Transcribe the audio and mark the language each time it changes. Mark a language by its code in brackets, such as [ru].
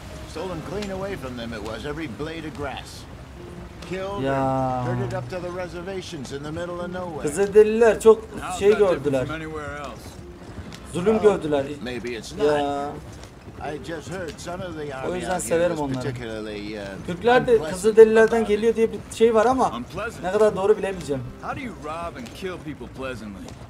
[en] Stolen clean away from them it was, every blade of grass. Killed ya. And herded up to the reservations in the middle of nowhere. [tr] Kızılderililer çok şey gördüler. Zulüm gördüler. [en] Maybe it's not. I just heard some of the army. [tr] O yüzden severim onları. Türkler de Kızılderililerden geliyor diye bir şey var ama ne kadar doğru bilemeyeceğim. [en] How do you rob and kill people pleasantly?